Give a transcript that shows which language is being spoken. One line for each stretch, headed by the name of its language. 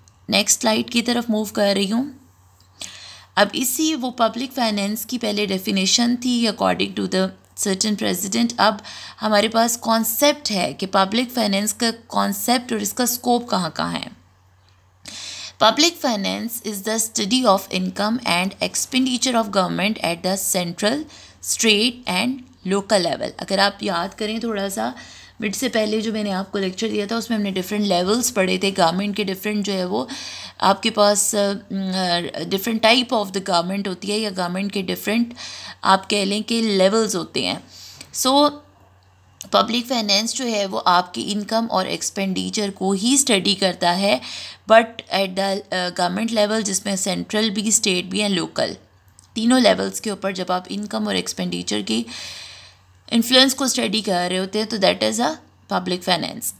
Hindi: Next slide की तरफ move कर रही हूँ. अब इसी वो पब्लिक फाइनेंस की पहले डेफिनेशन थी
English: According to the certain president.
Hindi: अब हमारे पास कॉन्सेप्ट है कि पब्लिक फाइनेंस का कॉन्सेप्ट और इसका स्कोप कहाँ कहाँ है.
English: Public finance is the study of income and expenditure of government at the central, state and local level.
Hindi: अगर आप याद करें थोड़ा सा बिट से पहले जो मैंने आपको लेक्चर दिया था उसमें हमने डिफरेंट लेवल्स पढ़े थे गवर्नमेंट के, डिफरेंट जो है वो आपके पास different type of the government होती है या गवर्नमेंट के डिफरेंट आप कह लें कि लेवल्स होते हैं. सो पब्लिक फाइनेंस जो है वो आपकी इनकम और एक्सपेंडिचर को ही स्टडी करता है,
English: but at the government level
Hindi: जिसमें सेंट्रल भी, स्टेट भी एंड लोकल, तीनों लेवल्स के ऊपर जब आप इनकम और एक्सपेंडिचर की इन्फ्लुएंस को स्टडी कर रहे होते हैं तो
English: That is a public finance.